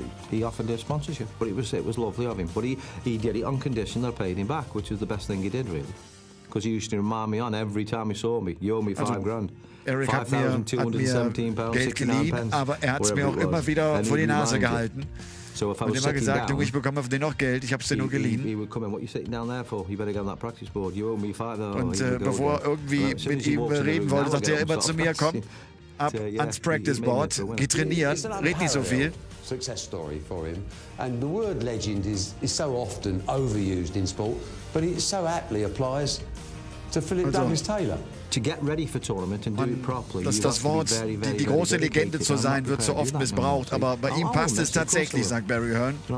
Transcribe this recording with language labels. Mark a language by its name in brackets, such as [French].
[English] He offered a sponsorship, but it was lovely of him. But he did it on condition they paid him back, which was the best thing he did really. Because he used to remind me on every time he saw me, you owe me $5,000. [German] Eric hat mir Geld geliehen, aber er hat es mir auch immer wieder vor die Nase gehalten. Und immer gesagt, du, ich bekomme von dir noch Geld, ich habe es dir nur geliehen. Und bevor irgendwie mit ihm reden wollte, sagte er immer zu mir, komm, ab ans Practice Board, geh trainieren, red nicht so viel. [English] Success story for him, and the word legend is so often overused in sport, but it so aptly applies to Philip Douglas Taylor. [German] Dass das Wort, die große Legende zu sein, wird so oft missbraucht, aber bei ihm passt es tatsächlich, sagt Barry Hearn.